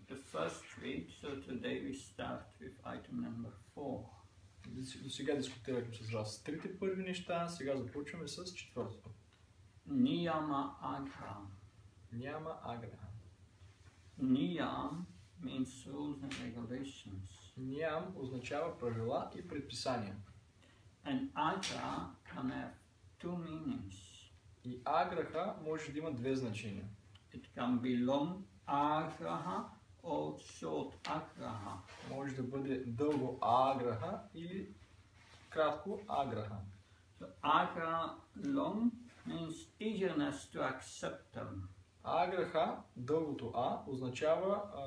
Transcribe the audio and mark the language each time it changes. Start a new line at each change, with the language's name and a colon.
English: First week, so today we start with item number 4.
Bulgarian: Сега дискутирахме с вас трите първи неща, сега започваме с четвъртото.
English: Niyama Agra. Niyama Agra. Niyam means rules and regulations.
Bulgarian: Niyam означава правила и предписания.
English: And Agra can have two meanings.
Bulgarian: И Аграха може да има две значения.
English: It can be long Аграха. Or short Аграха.
Bulgarian: Може да бъде дълго Аграха или кратко Аграха.
English: So, Агра long means eagerness to accept them.
Bulgarian: Аграха, дългото А, означава